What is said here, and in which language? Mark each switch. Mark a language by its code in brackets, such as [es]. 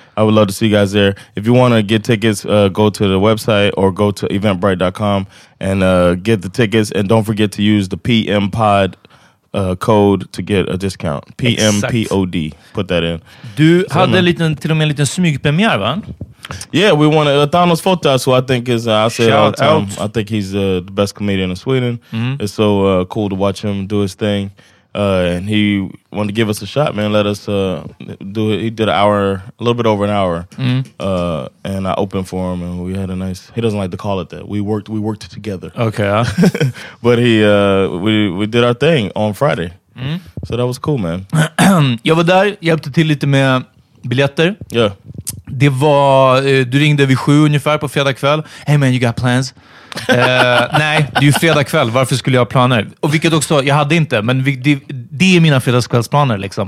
[en] I would love to see you guys there. If you want to get tickets, go to the website or go to eventbrite.com and get the tickets. And don't forget to use the PM pod code to get a discount. PMPOD. Put that in. [sv] Du hade liten, till och med en liten smygpremiär, va? [en] Yeah, we want to Thanos Fotas, who I think is I say it all the time. I think he's the best comedian in Sweden. Mm-hmm. It's so cool to watch him do his thing. And he wanted to give us a shot, man. Let us do it. He did an hour, a little bit over an hour. Mm. And I opened for him, and we had a nice... He doesn't like to call it that. We worked together. Okay. But we did our thing on Friday. Mm. So that was cool, man. [sv] Jag var där, hjälpte till lite med biljetter. [en] Yeah. [sv] Det var... Du ringde vid 7 ungefär på fredag kväll. [en] Hey, man, you got plans? [sv] nej, det är ju fredag kväll. Varför skulle jag ha planer? Och vilket också, jag hade inte. Men det är mina fredagskvällsplaner liksom.